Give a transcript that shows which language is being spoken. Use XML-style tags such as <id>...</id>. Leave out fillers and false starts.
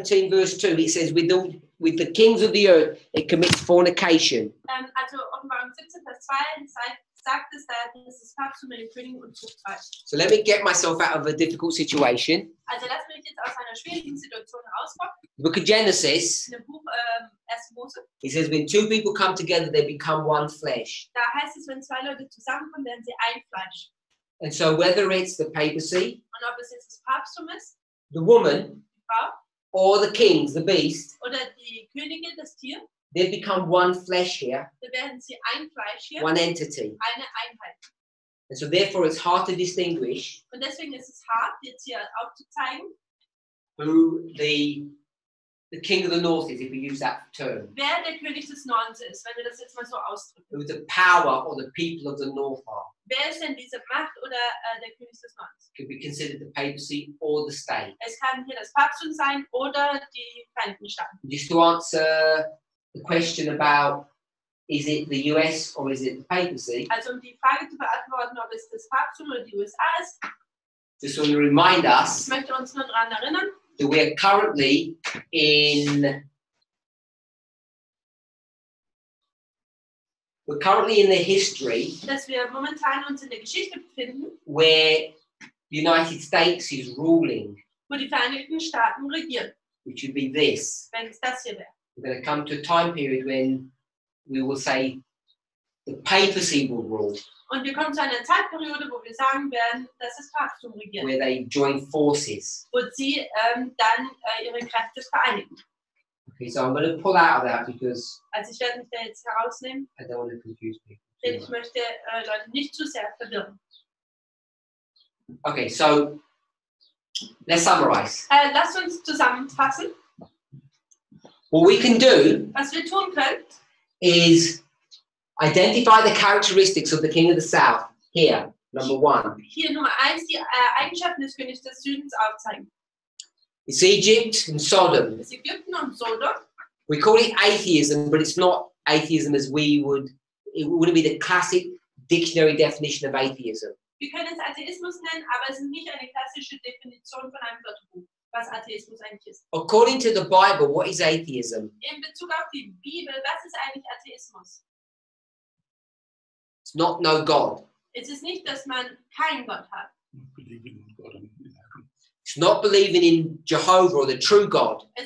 <en>verse 2, it says, with the kings of the earth, it commits fornication.</en> <de>Also Offenbarung 17, Vers 2, sagt es, dass es Papsttum mit dem König und Zucht reicht.</de> <en>So let me get myself out of a difficult situation.</en> <de>Also lass mich jetzt aus einer schwierigen Situation rauskommen.</de> <en>Book of Genesis.</en> <de>In dem Buch 1. Mose.</de> <en>He says, when two people come together, they become one flesh.</en> <de>Da heißt es, wenn zwei Leute zusammenkommen, werden sie ein Fleisch.</de> <en>And so whether it's the papacy.</en> <de>Und ob es jetzt das Papsttum ist.</de> <en>The woman.</en> <de>Die Frau.</de> <en>Or the kings, the beast.</en> <de>Oder die Königin, das Tier.</de> <en>They become one flesh here.</en> <de>Da werden sie ein Fleisch hier.</de> <en>One entity.</en> <de>Eine Einheit.</de> <en>And so therefore it's hard to distinguish.</en> <de>Und deswegen ist es hart, jetzt hier aufzuzeigen.</de> <en>Who the King of the North is, if we use that term.</en> <de>Wer der König des Nordens ist, wenn wir das jetzt mal so ausdrücken.</de> <en>Who the power or the people of the North are.</en> <de>Wer ist denn diese Macht oder der König des Nordens?</de> <en>Could be considered the papacy or the state.</en> <de>Es kann hier das Papsttum sein oder die Vereinigten Staaten.</de> <en>Just to answer the question about, is it the US or is it the papacy?</en> <de>Also um die Frage zu beantworten, ob es das Papsttum oder die USA ist.</de> <en>Just want to remind us.</en> <de>Ich möchte uns nur daran erinnern.</de> <en>That we are currently in. We're currently in the history.</en> <de>Dass wir momentan uns in der Geschichte befinden.</de> <en>Where the United States is ruling.</en> <de>Wo die Vereinigten Staaten regieren.</de> <en>Which would be this.</en> <de>Wenn es das hier wäre.</de> <en>We're going to come to a time period when we will say the papacy will rule.</en> <de>Und wir kommen zu einer Zeitperiode, wo wir sagen werden, dass das Papsttum regiert.</de> <en>Where they join forces.</en> <de>Wo sie dann ihre Kräfte vereinigen.</de> <en>Okay, so I'm going to pull out of that because.</en> <de>Also ich werde mich da jetzt herausnehmen.</de> <en>I don't want to confuse people.</en> <de>Denn ich möchte Leute nicht zu sehr verwirren.</de> <en>Okay, so let's summarize.</en> <de>Lass uns zusammenfassen.</de> <en>What we can do.</en> <de>Was wir tun können.</de> <en>Is identify the characteristics of the King of the South here, number one.</en> <de>Hier Nummer eins, die Eigenschaften des Königs des Südens aufzeigen.</de> <en>It's Egypt and Sodom.</en> <de>It's Ägypten und Sodom.</de> <en>We call it atheism, but it's not atheism as we would. It wouldn't be the classic dictionary definition of atheism.</en> <de>Wir können es Atheismus nennen, aber es ist nicht eine klassische Definition von einem Gottbuch, was Atheismus eigentlich ist.</de> <en>According to the Bible, what is atheism?</en> <de>In Bezug auf die Bibel, was ist eigentlich Atheismus?</de> <en>It's not no God.</en> <de>Es ist nicht, dass man keinen Gott hat.</de> <en>It's not believing in Jehovah or the true God.</en>